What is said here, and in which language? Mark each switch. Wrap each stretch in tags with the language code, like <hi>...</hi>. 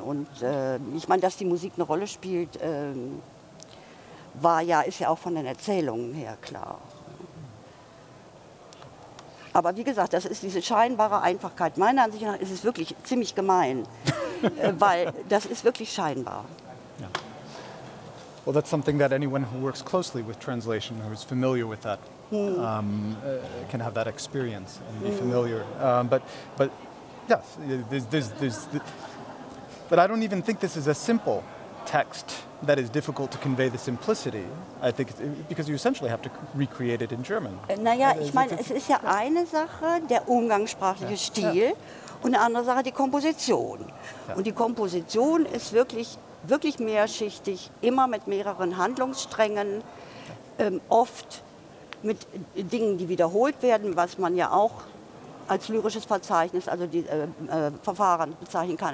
<de>Und ich meine, dass die Musik eine Rolle spielt, war ja, ist ja auch von den Erzählungen her klar. Aber wie gesagt, das ist diese scheinbare Einfachkeit. Meiner Ansicht nach ist es wirklich ziemlich gemein, weil das ist wirklich scheinbar.</de> <en>Yeah. Well, that's something that anyone who works closely with translation, who is familiar with that, can have that experience and be familiar. But yes, but I don't even think this is a simple text that is difficult to convey the simplicity, I think, because you essentially have to recreate it in German.</en> <de>Naja, ich meine, es ist ja eine Sache, der umgangssprachliche Stil, und eine andere Sache, die Komposition. Und die Komposition ist wirklich, wirklich mehrschichtig, immer mit mehreren Handlungssträngen, oft mit Dingen, die wiederholt werden, was man ja auch als lyrisches Verzeichnis, also die Verfahren bezeichnen kann.</de>